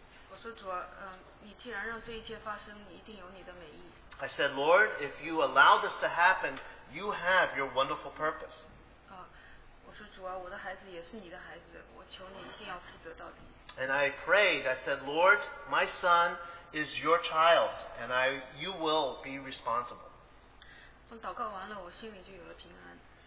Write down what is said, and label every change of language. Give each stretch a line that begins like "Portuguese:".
Chinese: 我说主啊，你既然让这一切发生，你一定有你的美意。
English: I said, "Lord, if you allow this to happen, you have your wonderful purpose."
Chinese: 我说主啊，我的孩子也是你的孩子，我求你一定要负责到底。
English: And I prayed. I said, "Lord, my son is your child, and you will be responsible."
Chinese: 我祷告完了，我心里就有了平安。